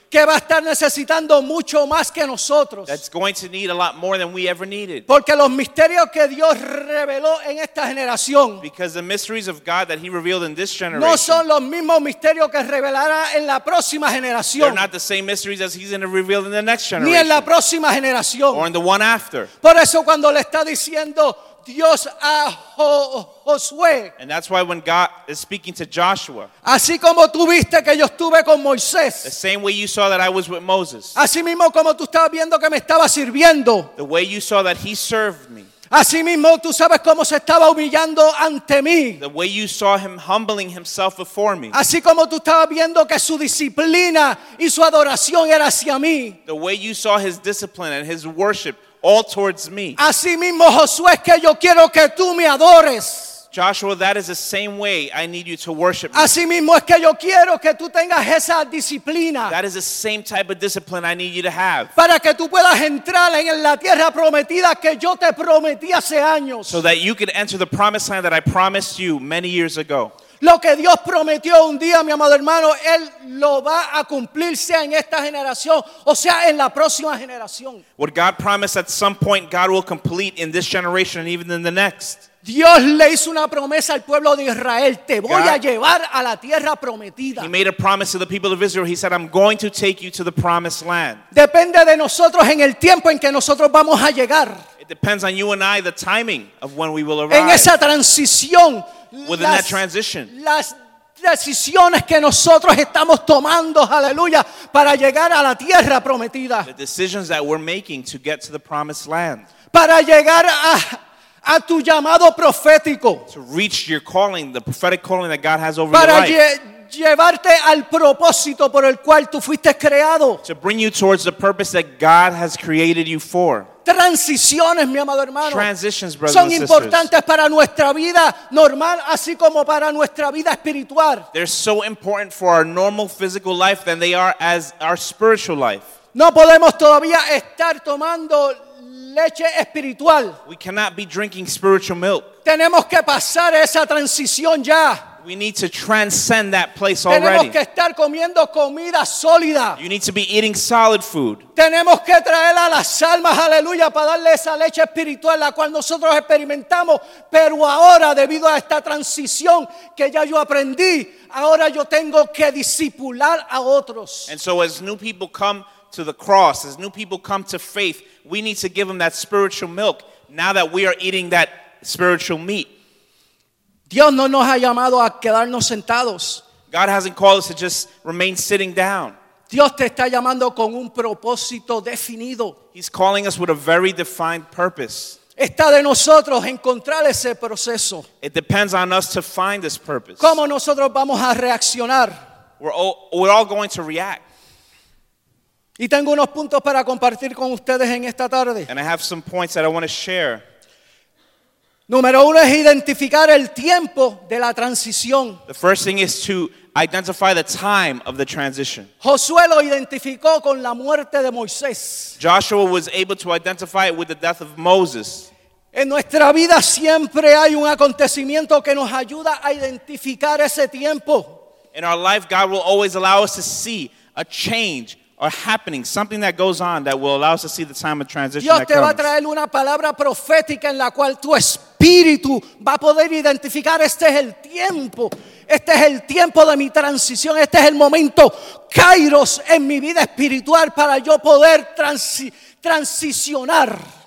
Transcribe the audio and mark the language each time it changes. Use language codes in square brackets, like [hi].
[es] Que va a estar necesitando mucho más que nosotros. [en] That's going to need a lot more than we ever needed. [es] Porque los misterios que Dios reveló en esta generación. [en] Because the mysteries of God that he revealed in this generation. [es] No son los mismos misterios que revelará en la próxima generación. [en] They're not the same mysteries as he's going to reveal in the next generation. [es] Ni en la próxima generación. [en] Or in the one after. [es] Por eso cuando le está diciendo Dios a Josué. [en] And that's why when God is speaking to Joshua. [es] Así como tú viste que yo estuve con Moisés. [en] The same way you saw that I was with Moses. [es] Así mismo como tú estabas viendo que me estaba sirviendo. [en] The way you saw that he served me. [es] Así mismo tú sabes cómo se estaba humillando ante mí. [en] The way you saw him humbling himself before me. [es] Así como tú estabas viendo que su disciplina y su adoración era hacia mí. [en] The way you saw his discipline and his worship all towards me. [es] Así mismo, Josué, que yo quiero que tú me adores. [en] Joshua, that is the same way I need you to worship me. [es] Así mismo es que yo quiero que tú tengas esa disciplina. [en] That is the same type of discipline I need you to have. [es] Para que tú puedas entrar en la tierra prometida que yo te prometí hace años. [en] So that you could enter the promised land that I promised you many years ago. [es] Lo que Dios prometió un día, mi amado hermano, Él lo va a cumplir, sea en esta generación, o sea en la próxima generación. [en] What God promised at some point, God will complete in this generation and even in the next. [es] Dios le hizo una promesa al pueblo de Israel, te voy a llevar a la tierra prometida. [en] He made a promise to the people of Israel. He said, I'm going to take you to the promised land. [es] Depende de nosotros en el tiempo en que nosotros vamos a llegar. [en] It depends on you and I, the timing of when we will arrive. [es] En esa transición. [en] Within that transition. [es] Las decisiones que nosotros estamos tomando, aleluya, para llegar a la tierra prometida. [en] The decisions that we're making to get to the promised land. [es] Para llegar a tu llamado profético. [en] To reach your calling, the prophetic calling that God has over [es] para [en] your life. [es] Llevarte al propósito por el cual tú fuiste creado. [en] To bring you towards the purpose that God has created you for. [es] Transiciones, mi amado hermano. [en] Transitions, brothers and sisters. [es] Son importantes para nuestra vida normal, así como para nuestra vida espiritual. [en] They're so important for our normal physical life than they are as our spiritual life. [es] No podemos todavía estar tomando leche espiritual. [en] We cannot be drinking spiritual milk. [es] Tenemos que pasar esa transición ya. [en] We need to transcend that place already. [es] Tenemos que estar comiendo comida sólida. [en] You need to be eating solid food. [es] Tenemos que traer a las almas, aleluya, para darle esa leche espiritual la cual nosotros experimentamos. Pero ahora, debido a esta transición que ya yo aprendí, ahora yo tengo que discipular a otros. [en] And so as new people come to the cross, as new people come to faith, we need to give them that spiritual milk now that we are eating that spiritual meat. [es] Dios no nos ha llamado a quedarnos sentados. [en] God hasn't called us to just remain sitting down. [es] Dios te está llamando con un propósito definido. [en] He's calling us with a very defined purpose. [es] Está de nosotros encontrar ese proceso. [en] It depends on us to find this purpose. [es] ¿Cómo nosotros vamos a reaccionar? [en] We're all going to react. [es] Y tengo unos puntos para compartir con ustedes en esta tarde. [en] And I have some points that I want to share. [es] Número uno es identificar el tiempo de la transición. [en] The first thing is to identify the time of the transition. [es] Josué lo identificó con la muerte de Moisés. [en] Joshua was able to identify it with the death of Moses. [es] En nuestra vida siempre hay un acontecimiento que nos ayuda a identificar ese tiempo. [en] In our life, God will always allow us to see a change or happening, something that goes on that will allow us to see the time of transition [es] Dios [en] that comes. [es] Dios te va a traer una palabra profética en la cual tu espíritu va a poder identificar este es el tiempo de mi transición, este es el momento kairos en mi vida espiritual para yo poder transicionar.